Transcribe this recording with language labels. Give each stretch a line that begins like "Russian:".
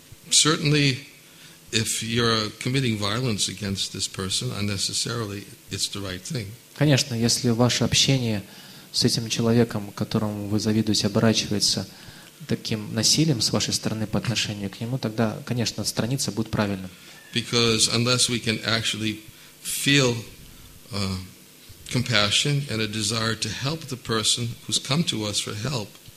English: Certainly, if you're committing violence against this person unnecessarily, it's the right thing.
Russian: Конечно, если ваше общение с этим человеком, которому вы завидуете, оборачивается таким насилием с вашей стороны по отношению к нему, тогда, конечно, отстраниться будет правильно.
English: Because unless we can actually feel compassion and a desire to help the person who's come to us for help.